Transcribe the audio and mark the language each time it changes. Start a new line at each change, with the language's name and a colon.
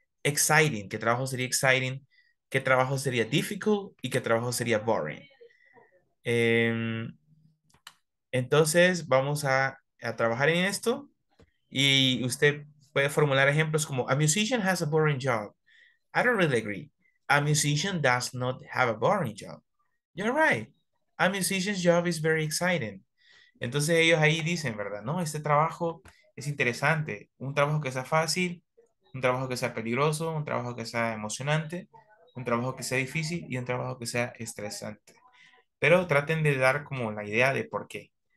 Spanish: Exciting, ¿qué trabajo sería exciting? ¿Qué trabajo sería difficult? ¿Y qué trabajo sería boring? Entonces vamos a trabajar en esto y usted puede formular ejemplos como
English: a musician has a boring job. I don't really agree. A musician does not have a boring job. You're right. A musician's job is very exciting.
Spanish: Entonces ellos ahí dicen, ¿verdad? No, este trabajo es interesante. Un trabajo que sea fácil, un trabajo que sea peligroso, un trabajo que sea emocionante, un trabajo que sea difícil y un trabajo que sea estresante. Pero traten de dar como la idea de por qué.